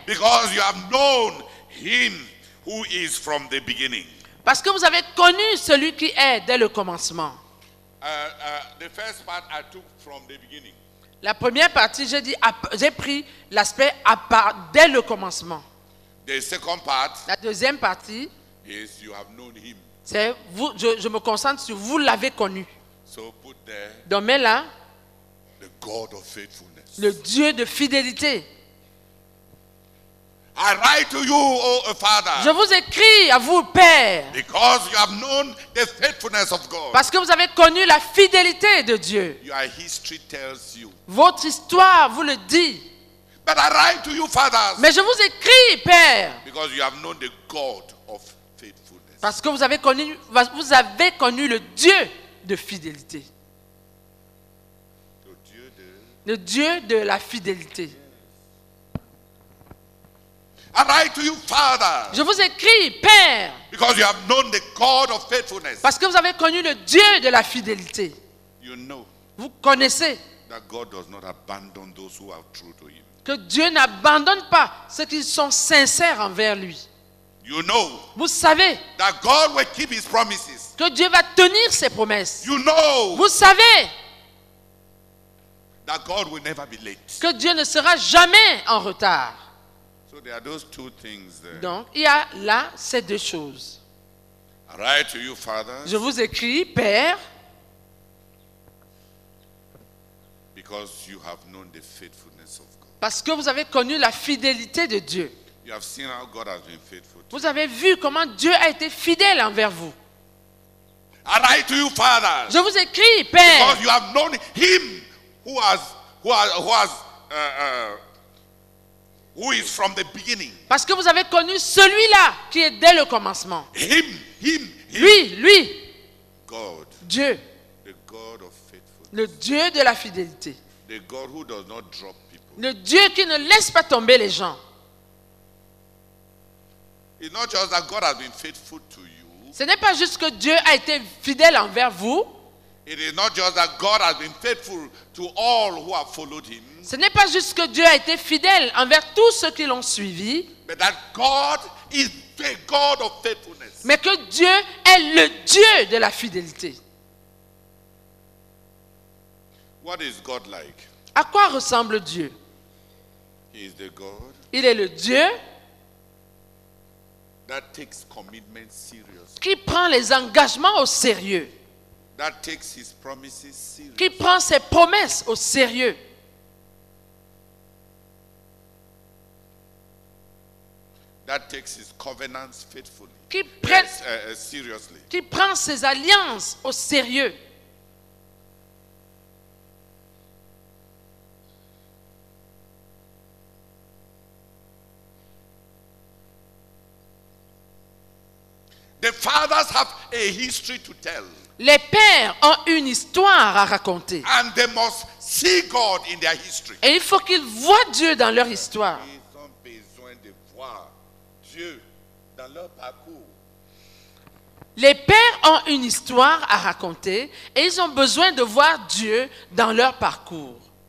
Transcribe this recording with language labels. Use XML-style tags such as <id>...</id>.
<en>Because you have known him who is from the beginning.</en> <fr>Parce que vous avez connu celui qui est dès le commencement.</fr> <en>The first part I took from the beginning.</en> <fr>La première partie, j'ai pris l'aspect à part dès le commencement.</fr> <en>The second part.</en> <fr>La deuxième partie.</fr> <en>Is you have known him.</en> <fr>C'est vous. Je me concentre sur vous l'avez connu.</fr> <en>So put there.</en> <fr>Donc mets là.</fr> <en>The God of faithfulness.</en> <fr>Le Dieu de fidélité.</fr> <en>I write to you, oh Father.</en> <fr>Je vous écris à vous, Père.</fr> <en>Because you have known the faithfulness of God.</en> <fr>Parce que vous avez connu la fidélité de Dieu.</fr> <en>Your history tells you.</en> <fr>Votre histoire vous le dit.</fr> <en>But I write to you, fathers.</en> <fr>Mais je vous écris, Père.</fr> <en>Because you have known the God of faithfulness.</en> <fr>Parce que vous avez connu le Dieu de fidélité. Le Dieu de la fidélité.</fr> <en>I write to you, Father.</en> <fr>Je vous écris, Père.</fr> <en>Because you have known the God of faithfulness.</en> <fr>Parce que vous avez connu le Dieu de la fidélité.</fr> <en>You know.</en> <fr>Vous connaissez.</fr> <en>That God does not abandon those who are true to him.</en> <fr>Que Dieu n'abandonne pas ceux qui sont sincères envers lui.</fr> <en>You know.</en> <fr>Vous savez.</fr> <en>That God will keep his promises.</en> <fr>Que Dieu va tenir ses promesses.</fr> <en>You know.</en> <fr>Vous savez.</fr> <en>That God will never be late.</en> <fr>Que Dieu ne sera jamais en retard.</fr> <en>There are those two things there.</en> <fr>Donc, il y a là ces deux choses.</fr> <en>I write to you, Father.</en> <fr>Je vous écris, Père.</fr> <en>Because you have known the faithfulness of God.</en> <fr>Parce que vous avez connu la fidélité de Dieu.</fr> <en>You have seen how God has been faithful to you.</en> <fr>Vous avez vu comment Dieu a été fidèle envers vous.</fr> <en>I write to you, Father.</en> <fr>Je vous écris, Père.</fr> <en>Because you have known him who is from the beginning.</en> <fr>Parce que vous avez connu celui-là qui est dès le commencement.</fr> <en>Him.</en> <fr>Lui.</fr> <en>God.</en> <fr>Dieu.</fr> <en>The God of faithfulness.</en> <fr>Le Dieu de la fidélité.</fr> <en>The God who does not drop people.</en> <fr>Le Dieu qui ne laisse pas tomber les gens.</fr> <en>It's not just that God has been faithful to you.</en> <fr>Ce n'est pas juste que Dieu a été fidèle envers vous.</fr> <en>It is not just that God has been faithful to all who have followed him.</en> <fr>Ce n'est pas juste que Dieu a été fidèle envers tous ceux qui l'ont suivi.</fr> <en>But that God is the God of faithfulness.</en> <fr>Mais que Dieu est le Dieu de la fidélité.</fr> <en>What is God like?</en> <fr>À quoi ressemble Dieu?</fr> <en>He is the God.</en> <fr>Il est le Dieu.</fr> <en>That takes commitment seriously.</en> <fr>Qui prend les engagements au sérieux.</fr> <en>That takes his promises seriously.</en> <fr>Qui prend ses promesses au sérieux.</fr> <en>God that takes his covenants faithfully.</en> <fr>Qui prend,</fr> <en>seriously.</en> <fr>Qui prend ses alliances au sérieux.</fr> <en>The fathers have a history to tell.</en> <fr>Les pères ont une histoire à raconter.</fr> <en>And they must see God in their history.</en> <fr>Et il faut qu'ils voient Dieu dans leur histoire. Ils ont besoin de voir Dieu dans leur parcours. Les pères ont une histoire à raconter et ils ont besoin de voir Dieu dans leur parcours.</fr>